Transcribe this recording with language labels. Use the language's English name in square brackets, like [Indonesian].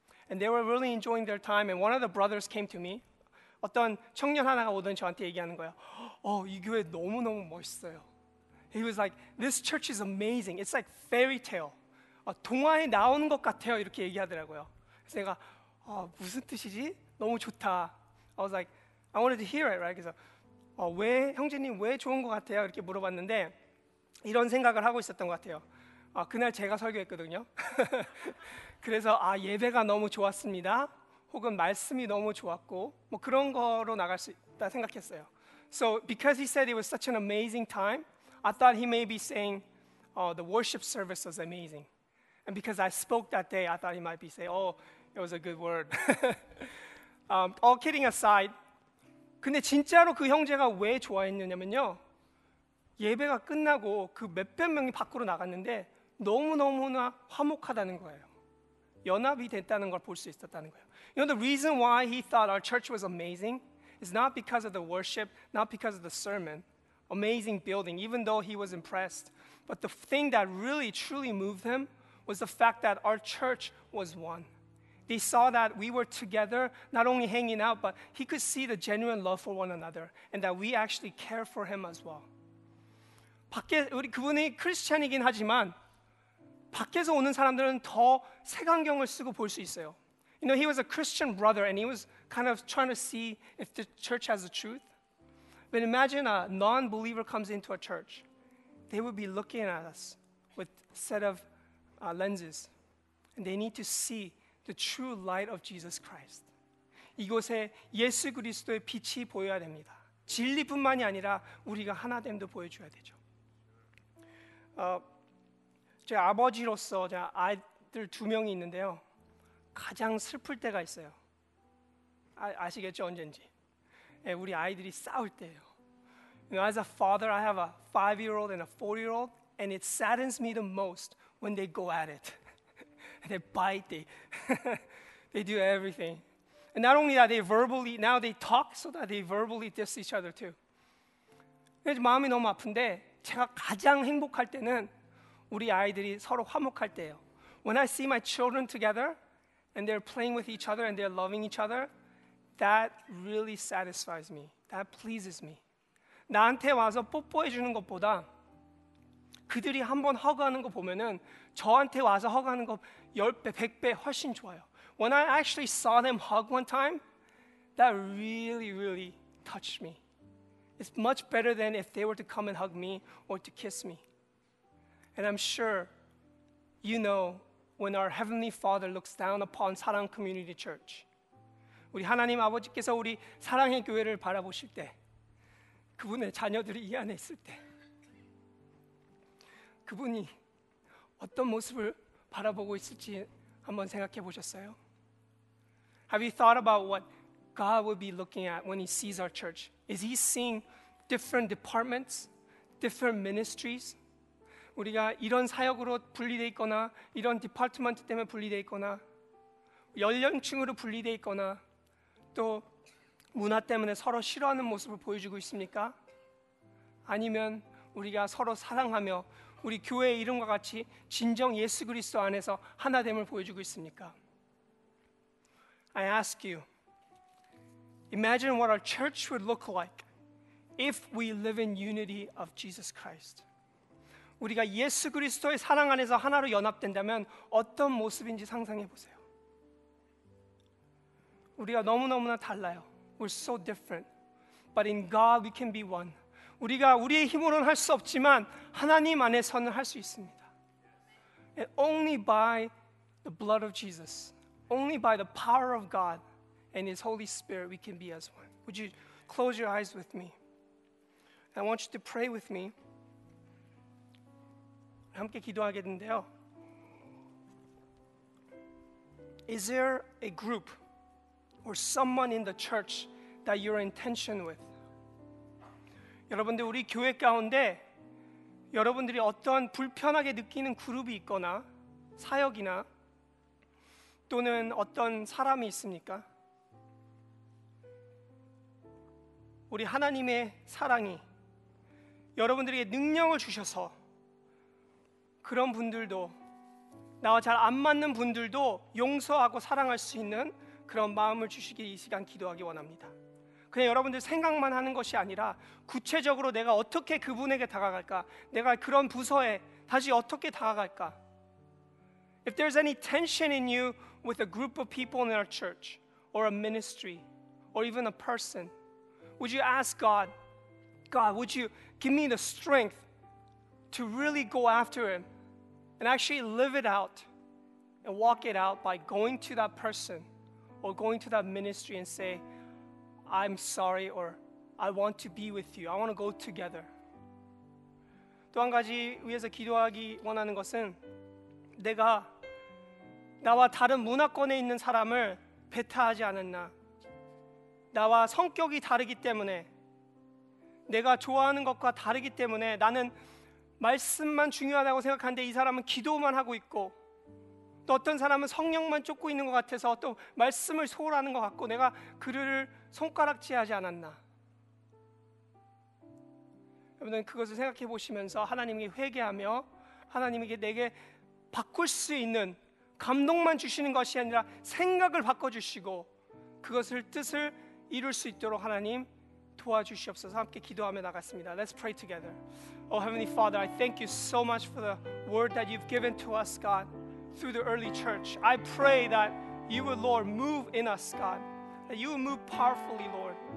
[English] And they were really enjoying their time, and one of the brothers came to me. [Korean] 어떤 청년 하나가 오더니 저한테 얘기하는 거예요. 이 교회 너무너무 멋있어요. [English] He was like, this church is amazing. It's like fairy tale. [Korean] 동화에 나오는 것 같아요. 이렇게 얘기하더라고요. 그래서 제가, 무슨 뜻이지? 너무 좋다. [English] I was like, I wanted to hear it, right? [Korean] 그래서, 왜, 형제님 왜 좋은 것 같아요? 이렇게 물어봤는데, 이런 생각을 하고 있었던 것 같아요. 그날 제가 설교했거든요. 그래서, 예배가 너무 좋았습니다. 혹은 말씀이 너무 좋았고, 뭐 그런 거로 나갈 수 있다 생각했어요. [English] So, because he said it was such an amazing time, I thought he may be saying, the worship service was amazing. And because I spoke that day, I thought he might be saying, it was a good word. all kidding aside, [Korean] 근데 진짜로 그 형제가 왜 좋아했느냐면요. 예배가 끝나고 그 몇백 명이 밖으로 나갔는데 너무너무나 화목하다는 거예요. 연합이 됐다는 걸 볼 수 있었다는 거예요. [English] You know, the reason why he thought our church was amazing is not because of the worship, not because of the sermon. Amazing building, even though he was impressed. But the thing that really, truly moved him was the fact that our church was one. They saw that we were together, not only hanging out, but he could see the genuine love for one another and that we actually care for him as well. [Korean] 밖에 우리 그분이 크리스찬이긴 하지만 밖에서 오는 사람들은 더 색안경을 쓰고 볼 수 있어요. [English] You know, he was a Christian brother and he was kind of trying to see if the church has the truth. But imagine a non-believer comes into a church. They would be looking at us with a set of lenses. And they need to see the true light of Jesus Christ. [Korean] 이곳에 예수 그리스도의 빛이 보여야 됩니다. 진리뿐만이 아니라 우리가 하나됨도 보여줘야 되죠. 제 아버지로서 아이들 두 명이 있는데요. 가장 슬플 때가 있어요. 아시겠죠? 언젠지. 우리 아이들이 싸울 때예요. [English] You know, as a father, I have a 5-year-old and a 4-year-old, and it saddens me the most when they go at it. They bite, they do everything. And not only that, they talk so that they verbally diss each other too. [Korean] 마음이 너무 아픈데, 제가 가장 행복할 때는 우리 아이들이 서로 화목할 때예요. [English] When I see my children together, and they're playing with each other, and they're loving each other, that really satisfies me. That pleases me. [Korean] 나한테 와서 뽀뽀해 주는 것보다 그들이 한번 허그하는 거 보면은 저한테 와서 허그하는 거 10배, 100배 훨씬 좋아요. [English] When I actually saw them hug one time, that really, really touched me. It's much better than if they were to come and hug me or to kiss me. And I'm sure you know when our Heavenly Father looks down upon Sarang Community Church, [Korean] 우리 하나님 아버지께서 우리 사랑의 교회를 바라보실 때, 그분의 자녀들이 이 안에 있을 때, 그분이 어떤 모습을 바라보고 있을지 한번 생각해 보셨어요? [English] Have you thought about what God would be looking at when he sees our church? Is he seeing different departments, different ministries? [Korean] 우리가 이런 사역으로 분리되어 있거나 이런 디파트먼트 때문에 분리되어 있거나 연령층으로 분리되어 있거나 또 문화 때문에 서로 싫어하는 모습을 보여주고 있습니까? 아니면 우리가 서로 사랑하며 우리 교회의 이름과 같이 진정 예수 그리스도 안에서 하나됨을 보여주고 있습니까? [English] I ask you, imagine what our church would look like if we live in unity of Jesus Christ. [Korean] 우리가 예수 그리스도의 사랑 안에서 하나로 연합된다면 어떤 모습인지 상상해 보세요. 우리가 너무너무나 달라요. [English] We're so different. But in God we can be one. [Korean] 우리가 우리의 힘으로는 할 수 없지만 하나님 안에서는 할 수 있습니다. [English] And only by the blood of Jesus, only by the power of God and His Holy Spirit we can be as one. Would you close your eyes with me? I want you to pray with me. [Korean] 함께 기도하겠는데요. [English] Is there a group or someone in the church that you're in tension with? [Korean] 여러분들 우리 교회 가운데 여러분들이 어떠한 불편하게 느끼는 그룹이 있거나 사역이나 또는 어떤 사람이 있습니까? 우리 하나님의 사랑이 여러분들에게 능력을 주셔서 그런 분들도 나와 잘 안 맞는 분들도 용서하고 사랑할 수 있는 그런 마음을 주시기 이 시간 기도하기 원합니다. 그냥 여러분들 생각만 하는 것이 아니라 구체적으로 내가 어떻게 그분에게 다가갈까? 내가 그런 부서에 다시 어떻게 다가갈까? [English] If there's any tension in you with a group of people in our church or a ministry or even a person, would you ask God, God, would you give me the strength to really go after him and actually live it out and walk it out by going to that person or going to that ministry and say, I'm sorry or I want to be with you. I want to go together. [Korean] 또 한 가지 위해서 기도하기 원하는 것은 내가 나와 다른 문화권에 있는 사람을 배타하지 않았나. 나와 성격이 다르기 때문에 내가 좋아하는 것과 다르기 때문에 나는 말씀만 중요하다고 생각하는데 이 사람은 기도만 하고 있고 또 어떤 사람은 성령만 쫓고 있는 것 같아서 또 말씀을 소홀하는 것 같고 내가 그를 손가락질하지 않았나. 여러분은 그것을 생각해 보시면서 하나님께 회개하며 하나님에게 내게 바꿀 수 있는 감동만 주시는 것이 아니라 생각을 바꿔주시고 그것을 뜻을 이룰 수 있도록 하나님 도와주시옵소서. 함께 기도하며 나갔습니다. [English] Let's pray together. Oh Heavenly Father, I thank you so much for the word that you've given to us, God, through the early church. I pray that you would, Lord, move in us, God, that you would move powerfully, Lord.